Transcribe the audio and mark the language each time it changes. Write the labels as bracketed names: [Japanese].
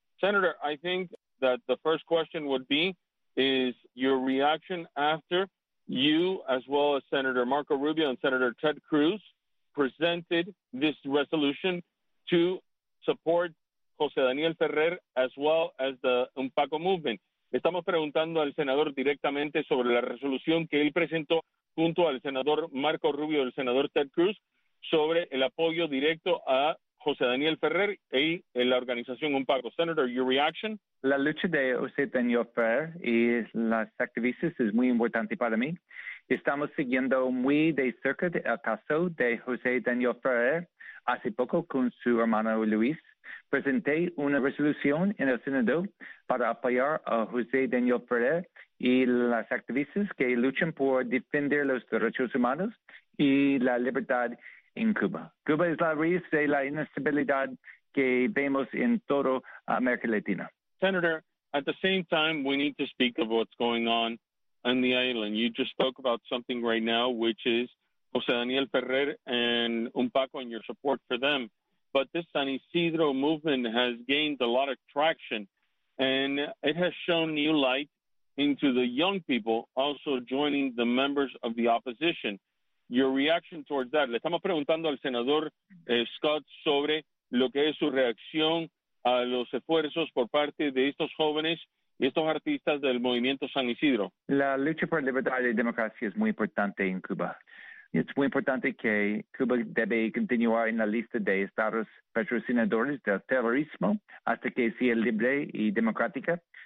[English] Senator, I think that the first question would be, is your reaction after you, as well as Senator Marco Rubio and Senator Ted Cruz, presented this resolution to support José Daniel Ferrer, as well as the Unpaco movement. [Spanish] Estamos preguntando al senador directamente sobre la resolución que él presentó junto al senador Marco Rubio y el senador Ted Cruz sobre el apoyo directo a José Daniel Ferrer y la organización Unpaco. [English] Senator, your reaction? [Spanish] La lucha de José Daniel Ferrer y las activistas es muy importante para mí. Estamos siguiendo muy de cerca el caso de José Daniel Ferrer hace poco con su hermano Luis. Presenté una resolución en el Senado para apoyar a José Daniel Ferrer y las activistas que luchan por defender los derechos humanos y la libertad en Cuba. Cuba es la raíz de la inestabilidad que vemos en toda América Latina. [English] Senator, at the same time, we need to speak of what's going on the island. You just spoke about something right now, which is José Daniel Ferrer and Unpaco and your support for them. But this San Isidro movement has gained a lot of traction, and it has shown new light into the young people also joining the members of the opposition. Your reaction towards that? [Spanish] Le estamos preguntando al senador Scott sobre lo que es su reacción a los esfuerzos por parte de estos jóvenes y estos artistas del movimiento San Isidro. La lucha por libertad y democracia es muy importante en Cuba. Es muy importante que Cuba debe continuar en la lista de estados patrocinadores del terrorismo hasta que sea libre y democrática.